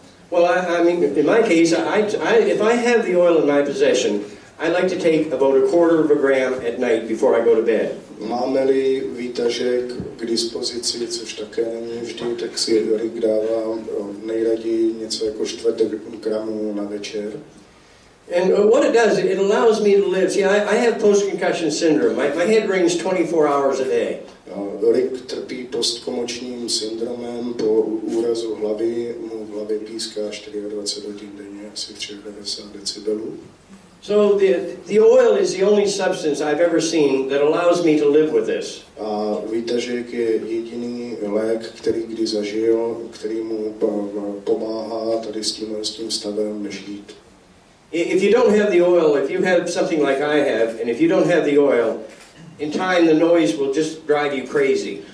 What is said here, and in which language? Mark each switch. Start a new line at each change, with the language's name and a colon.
English: Well, I mean, in my case, if I have the oil in my possession, I like to take about a quarter of a gram at night before I go to bed.
Czech: Máme-li výtažek k dispozici, což také není vždy, tak si Erik dává nejraději něco jako čtvrt gramu na večer.
English: And what it does, it allows me to live. See, I have post-concussion syndrome. My head rings 24 hours a day.
Czech: Erik trpí postkomočním syndromem, po úrazu hlavy mu v hlavě píská 24 hodin denně, asi 390 decibelů.
English: So the oil is the only substance I've ever seen that allows me to live with this.
Czech: A výtažek je jediný lék, který kdy zažil, který mu pomáhá tady s tím stavem žít.
English: If you don't have the oil, if you have something like I have, and if you don't have the oil, in time the noise will just drive you crazy.